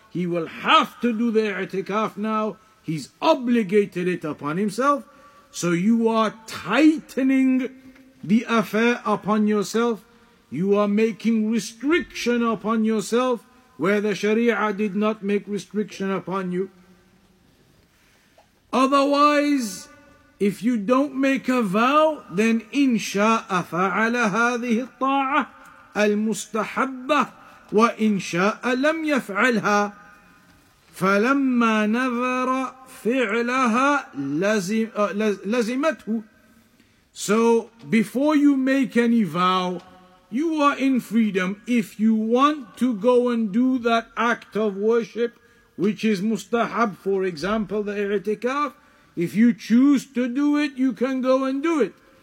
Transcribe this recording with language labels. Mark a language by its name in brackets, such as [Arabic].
[English] He will have to do the i'tikaf now. He's obligated it upon himself. So you are tightening the affair upon yourself. You are making restriction upon yourself where the Sharia did not make restriction upon you. Otherwise, if you don't make a vow, then [Arabic] إن شاء فعل هذه الطاعة المستحبة وإن شاء لم يفعلها فلما نذر فعلها لزمته. [English] So before you make any vow, you are in freedom. If you want to go and do that act of worship, which is mustahab, for example, the i'tikaf, if you choose to do it, you can go and do it.